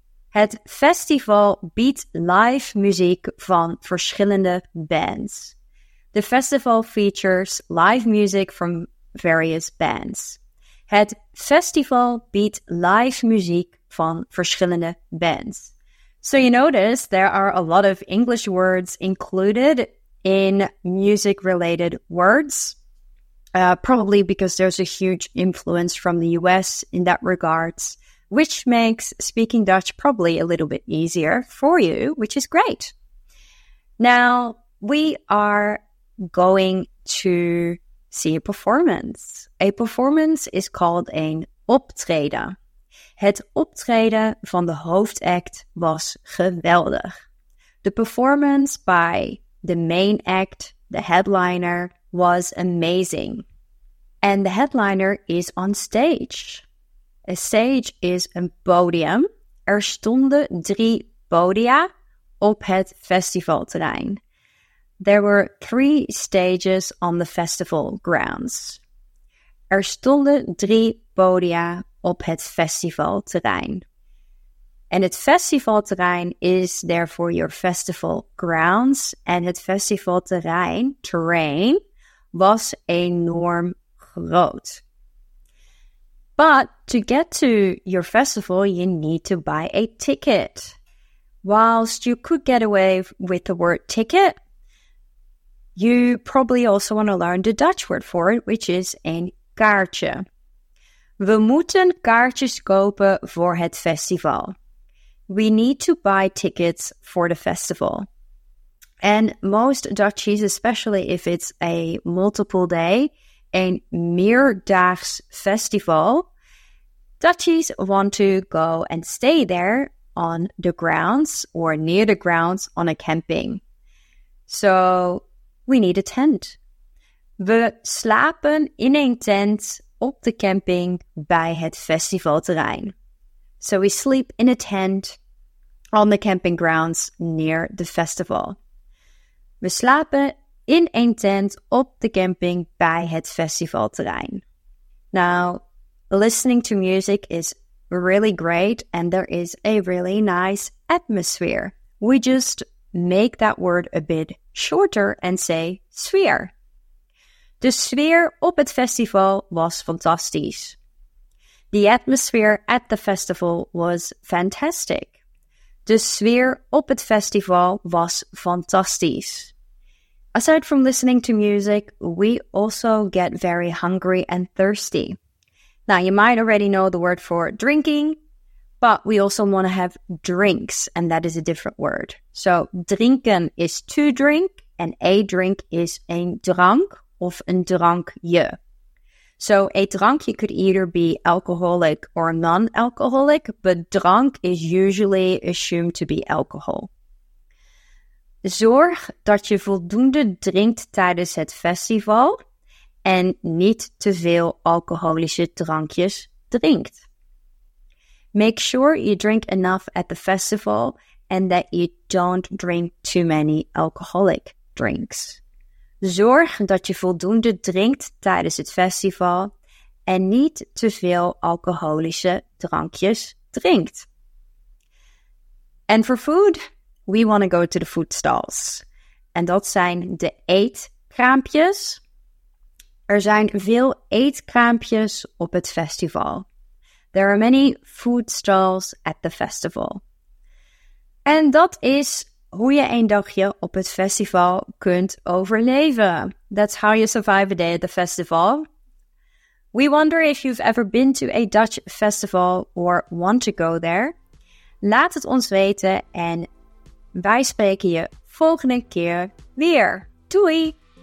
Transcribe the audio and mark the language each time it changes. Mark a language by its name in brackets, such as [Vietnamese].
[Dutch] Het festival biedt live muziek van verschillende bands. [English] The festival features live music from various bands. [Dutch] Het festival biedt live muziek van verschillende bands. [English] So you notice there are a lot of English words included in music-related words, probably because there's a huge influence from the US in that regards, which makes speaking Dutch probably a little bit easier for you, which is great. Now, we are going to see a performance. A performance is called [Dutch] een optreden. Het optreden van de hoofdact was geweldig. [English] The performance by the main act, the headliner, was amazing. And the headliner is on stage. A stage is [Dutch] een podium. Er stonden drie podia op het festivalterrein. [English] There were three stages on the festival grounds. [Dutch] Er stonden drie podia op het festivalterrein. [English] And [Dutch] het festivalterrein [English] is therefore your festival grounds. [Dutch] And het festivalterrein, terrain, was enorm groot. [English] But to get to your festival, you need to buy a ticket. Whilst you could get away with the word ticket, you probably also want to learn the Dutch word for it, which is [Dutch] een kaartje. We moeten kaartjes kopen voor het festival. [English] We need to buy tickets for the festival. And most Dutchies, especially if it's a multiple day, [Dutch] een meerdaags festival, [English] Dutchies want to go and stay there on the grounds or near the grounds on a camping. So we need a tent. [Dutch] We slapen in een tent op de camping bij het festivalterrein. [English] So we sleep in a tent on the camping grounds near the festival. [Dutch] We slapen in een tent op de camping bij het festivalterrein. [English] Now, listening to music is really great and there is a really nice atmosphere. We just make that word a bit shorter and say sfeer. [Dutch] De sfeer op het festival was fantastisch. [English] The atmosphere at the festival was fantastic. [Dutch] De sfeer op het festival was fantastisch. [English] Aside from listening to music, we also get very hungry and thirsty. Now, you might already know the word for drinking, but we also want to have drinks, and that is a different word. So, drinken is to drink, and a drink is [Dutch] een drank. Of een drankje. [English] So a drankje could either be alcoholic or non-alcoholic, but drank is usually assumed to be alcohol. [Dutch] Zorg dat je voldoende drinkt tijdens het festival en niet te veel alcoholische drankjes drinkt. [English] Make sure you drink enough at the festival and that you don't drink too many alcoholic drinks. [Dutch] Zorg dat je voldoende drinkt tijdens het festival en niet te veel alcoholische drankjes drinkt. [English] And for food, we want to go to the food stalls. [Dutch] En dat zijn de eetkraampjes. Er zijn veel eetkraampjes op het festival. [English] There are many food stalls at the festival. [Dutch] En dat is hoe je een dagje op het festival kunt overleven. [English] That's how you survive a day at the festival. We wonder if you've ever been to a Dutch festival or want to go there. [Dutch] Laat het ons weten en wij spreken je volgende keer weer. Doei!